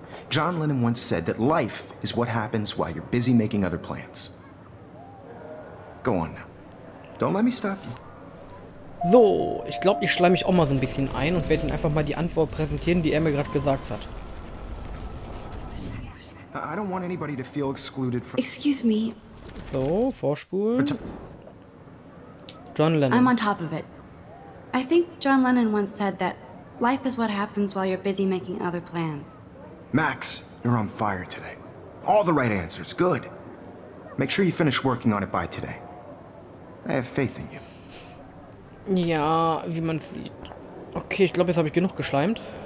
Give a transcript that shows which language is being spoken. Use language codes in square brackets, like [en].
[en] John Lennon once said that life is what happens while you're busy making other plans. Go on now. Don't let me stop you. [de] So, ich glaube, ich schleim mich auch mal so ein bisschen ein und werde ihn einfach mal die Antwort präsentieren, die mir gerade gesagt hat. [en] I don't want anybody to feel excluded from... Excuse me. [de] So, Vorspul. John Lennon. [en] I'm on top of it. I think John Lennon once said that life is what happens while you're busy making other plans. Max, you're on fire today. All the right answers. Good. Make sure you finish working on it by today. I have faith in you. [de] Ja, wie man sieht. Okay, ich glaube, jetzt habe ich genug geschleimt.